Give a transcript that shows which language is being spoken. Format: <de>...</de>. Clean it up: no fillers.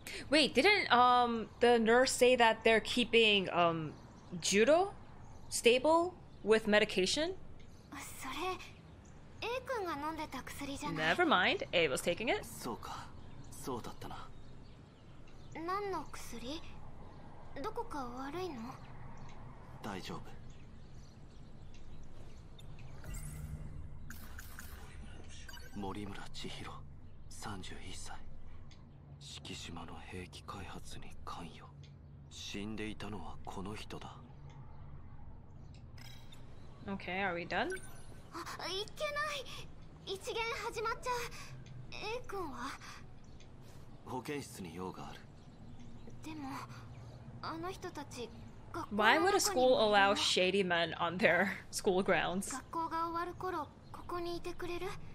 <en>Wait, didn't the nurse say that they're keeping Judo stable with medication?</en> <ja>それ、A 君が飲んでた薬じゃない?</ja> <en>Never mind, A was taking it.</en> <ja>そうか、そうだったな。何の薬?どこか悪いの? 大丈夫。森村千尋、31歳。四季島の兵器開発に関与。死んでいたのはこの人だ。</ja> <en>Okay, are we done?</en> <ja>あ、いけない。一限始まっちゃう。A 君は? 保健室に用がある。でも、あの人たち、学校の中に…</ja> <en>Why would a school allow shady men on their school grounds?</en> <ja>学校が終わる頃、ここにいてくれる?</ja>